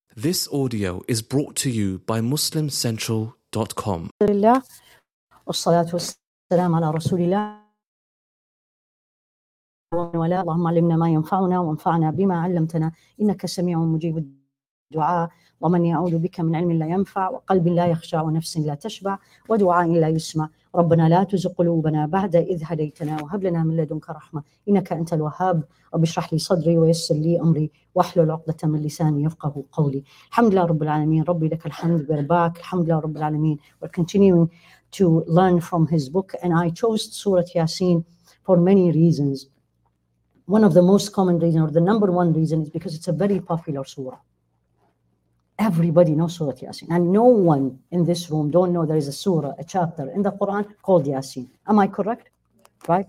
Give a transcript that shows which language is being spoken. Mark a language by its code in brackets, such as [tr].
[en] This audio is brought to you by MuslimCentral.com. [ar] والصلاة والسلام على رسول الله. اللهم علمنا ما ينفعنا وانفعنا بما علمتنا إنك سميع مجيب الدعاء ومن يعوذ بك من علم لا ينفع وقلب لا يخشع ونفس لا تشبع ودعاء لا يسمع. ربنا لا تزغ قلوبنا بعد إذ هديتنا وهب لنا من لدنك رحمة إنك أنت الوهاب. رب اشرح لي صدري ويسر لي أمري واحلل عقدة من لساني يفقهوا قولي. الحمد لله رب العالمين. ربي لك الحمد برباك. الحمد لله رب العالمين. [en] We're continuing to learn from his book, and I chose Surah Yasin for many reasons. One of the most common reason, or the number one reason, is because it's a very popular surah. Everybody knows Surah Yasin, and no one in this room don't know there is a surah, a chapter in the Quran called Yasin. Am I correct? Right.